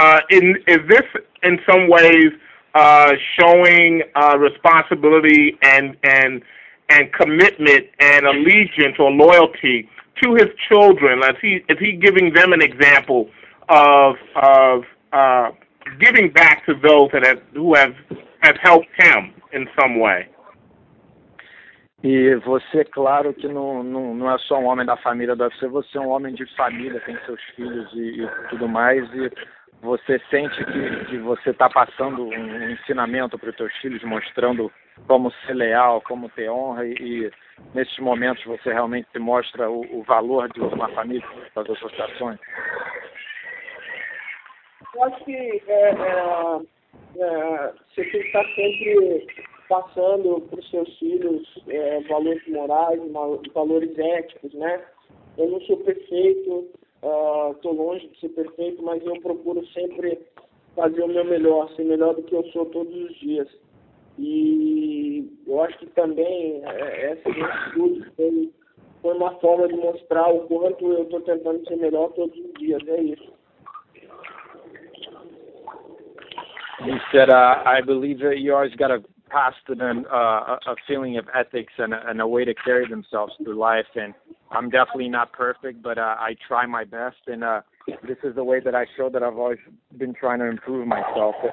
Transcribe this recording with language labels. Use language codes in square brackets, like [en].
[en] Is this in some ways showing responsibility and commitment and allegiance or loyalty to his children? Is he giving them an example of giving back to those that who have helped him in some way? [pt] E você, claro que não é só um homem da família do UFC, você é um homem de família, tem seus filhos e tudo mais, e você sente que você está passando um ensinamento para os seus filhos, mostrando como ser leal, como ter honra, e nesses momentos você realmente mostra o valor de uma família, das associações. Eu acho que você tem que estar sempre passando para os seus filhos valores morais, valores éticos, né? Eu não sou perfeito, estou longe de ser perfeito, mas eu procuro sempre fazer o meu melhor, ser melhor do que eu sou todos os dias. E eu acho que também essa atitude foi uma forma de mostrar o quanto eu estou tentando ser melhor todos os dias, é isso. [en] He said, I believe that you always got a past and a feeling of ethics and a way to carry themselves through life. And I'm definitely not perfect, but I try my best. And this is the way that I show that I've always been trying to improve myself.